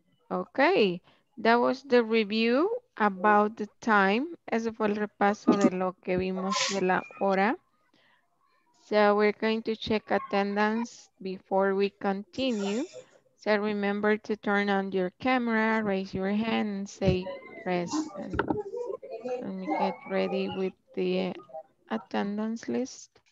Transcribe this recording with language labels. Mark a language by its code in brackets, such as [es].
[en] Okay, that was the review about the time. [es] Eso fue el repaso de lo que vimos de la hora. [en] So we're going to check attendance before we continue. So remember to turn on your camera, raise your hand, and say present. Let me get ready with the attendance list.